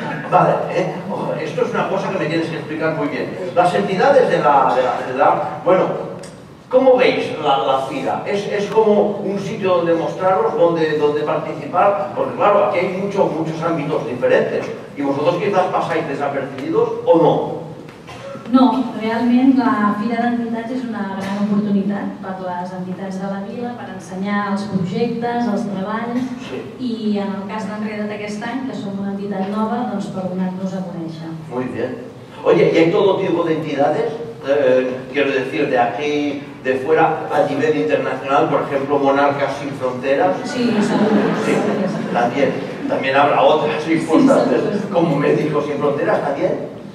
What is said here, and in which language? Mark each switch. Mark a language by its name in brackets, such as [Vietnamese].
[Spanish] Vale, esto es una cosa que me tienes que explicar muy bien. Las entidades de la bueno, ¿cómo veis la fira? ¿Es como un sitio donde mostraros, donde participar? Porque claro, aquí hay muchos ámbitos diferentes. ¿Y vosotros quizás pasáis desapercibidos o no? [Catalan] No, realment la Fira d'Entitats és una gran oportunitat per les entitats de la vila, per ensenyar els projectes, els treballs, sí. I en el cas d'Enreda't d'aquest any, que som una entitat nova, doncs per donar-nos a conèixer. [Spanish] Muy bien. Oye, ¿y hay todo tipo de entidades? Quiero decir, de aquí, de fuera, a nivel internacional, por ejemplo, Monarcas Sin Fronteras. Sí, saludos. Sí, también. También habrá otras importantes, sí, saludos, como Médicos Sin Fronteras, también.